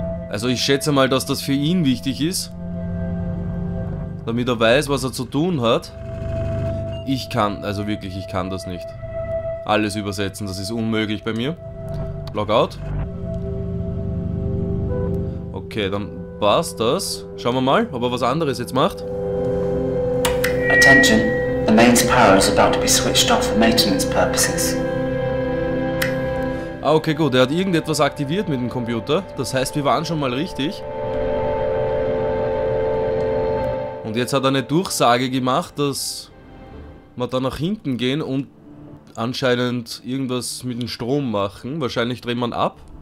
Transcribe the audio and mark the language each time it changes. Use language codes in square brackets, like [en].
[de] Also ich schätze mal, dass das für ihn wichtig ist. Damit er weiß, was er zu tun hat. Ich kann, also wirklich, ich kann das nicht. Alles übersetzen, das ist unmöglich bei mir. Logout. Okay, dann war's das. Schauen wir mal, ob er was anderes jetzt macht. [en] Attention, the mains power is about to be switched off for maintenance purposes. [de] Ah, okay, gut, er hat irgendetwas aktiviert mit dem Computer. Das heißt, wir waren schon mal richtig. Und jetzt hat er eine Durchsage gemacht, dass wir da nach hinten gehen und anscheinend irgendwas mit dem Strom machen. Wahrscheinlich dreht man ab.